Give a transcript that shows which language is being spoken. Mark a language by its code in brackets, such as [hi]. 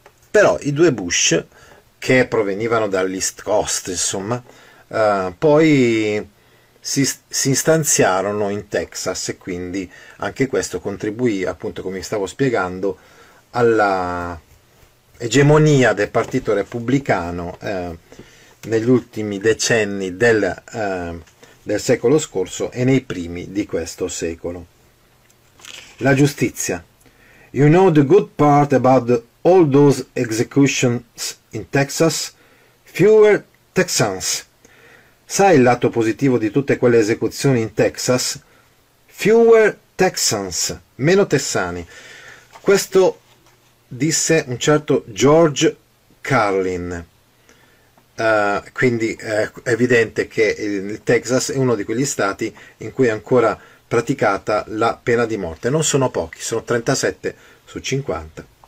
[it] Però i due Bush, che provenivano dall'East Coast, insomma, poi si instanziarono in Texas e quindi anche questo contribuì, appunto, come vi stavo spiegando, alla egemonia del Partito Repubblicano negli ultimi decenni del secolo scorso e nei primi di questo secolo. La giustizia. [en] You know the good part about all those executions in Texas? Fewer Texans. [it] Sai il lato positivo di tutte quelle esecuzioni in Texas? [en] Fewer Texans, [it] meno texani. Questo disse un certo George Carlin. Quindi è evidente che il Texas è uno di quegli stati in cui è ancora praticata la pena di morte. Non sono pochi, sono 37 su 50.